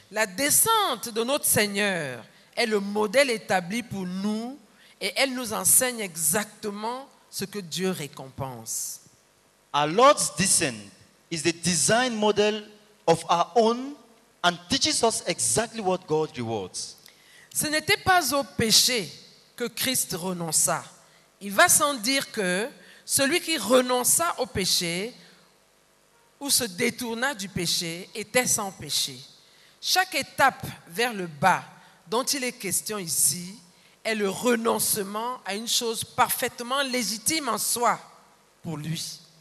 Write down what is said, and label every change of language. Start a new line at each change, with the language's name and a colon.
French: La descente de notre Seigneur est le modèle établi pour nous et elle nous enseigne exactement ce que Dieu récompense.
English: Our Lord's descent is the design model of our own and teaches us exactly what God rewards.
French: Ce n'était pas au péché que Christ renonça. Il va sans dire que celui qui renonça au péché ou se détourna du péché était sans péché. Chaque étape vers le bas dont il est question ici est le renoncement à une chose parfaitement légitime en soi pour lui.